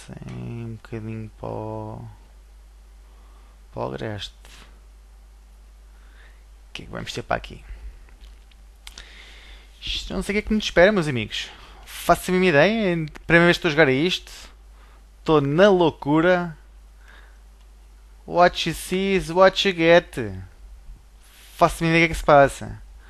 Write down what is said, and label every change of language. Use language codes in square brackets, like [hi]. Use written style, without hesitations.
[pt] Um bocadinho para o agreste. O que é que vamos ter para aqui? Isto não sei o que é que me espera, meus amigos. Faço a mesma ideia. Primeira vez que estou a jogar isto. Estou na loucura. [en] What you see is what you get. [pt] Faço a mesma ideia que se passa.